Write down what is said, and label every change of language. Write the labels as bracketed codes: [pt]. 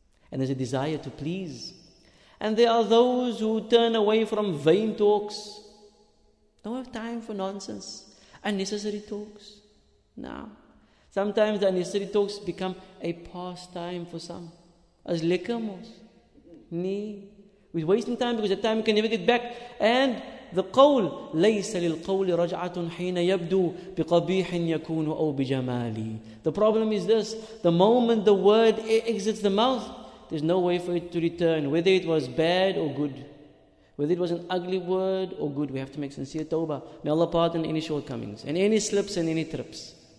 [en] And there's a desire to please. And there are those who turn away from vain talks. Don't have time for nonsense. Unnecessary talks. No. Sometimes the unnecessary talks become a pastime for some. As lekamos. Nee. We're wasting time because that time we can never get back. And the qawl, [ar] لَيْسَ لِلْقَوْلِ رَجْعَةٌ حِينَ يَبْدُو بِقَبِيحٍ يَكُونُ أَوْ بِجَمَالِي. [en] The problem is this, the moment the word exits the mouth, there's no way for it to return, whether it was bad or good, whether it was an ugly word or good. We have to make sincere tawbah. May Allah pardon any shortcomings and any slips and any trips.